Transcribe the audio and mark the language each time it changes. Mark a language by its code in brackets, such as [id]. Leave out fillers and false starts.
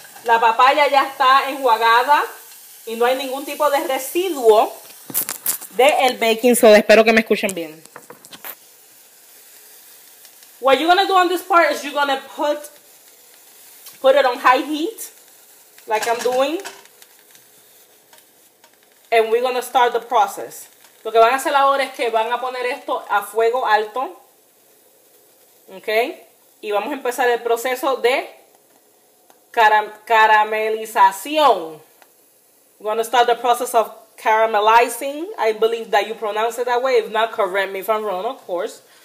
[es] La papaya ya está enjuagada y no hay ningún tipo de residuo del baking soda. Espero que me escuchen bien. [en] What you're going to do on this part is you're going to put it on high heat, like I'm doing. And we're going to start the process. [es] Lo que van a hacer ahora es que van a poner esto a fuego alto. Okay. Y vamos a empezar el proceso de caramelización. [en] We're going to start the process of caramelizing. I believe that you pronounce it that way. If not, correct me if I'm wrong, of course.